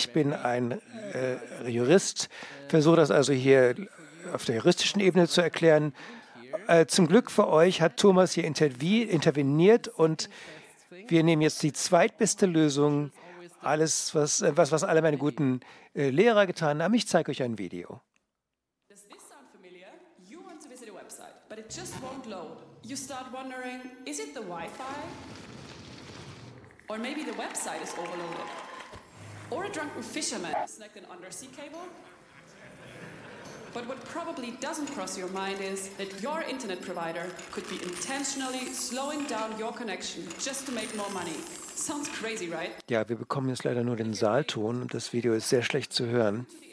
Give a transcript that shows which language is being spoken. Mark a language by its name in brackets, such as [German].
[German] Ich bin ein Jurist, versuche das also hier auf der juristischen Ebene zu erklären. Zum Glück für euch hat Thomas hier interveniert und wir nehmen jetzt die zweitbeste Lösung, alles, was alle meine guten Lehrer getan haben. Ich zeige euch ein Video. [English] Does this sound familiar? You want to visit a website, but it just won't load. You start wondering, is it the Wi-Fi? Or maybe the website is overloaded. Or a drunken fisherman snagged an undersea cable? But what probably doesn't cross your mind is that your internet provider could be intentionally slowing down your connection just to make more money. Sounds crazy, right? [German] Ja, wir bekommen jetzt leider nur den Saalton und das Video ist sehr schlecht zu hören.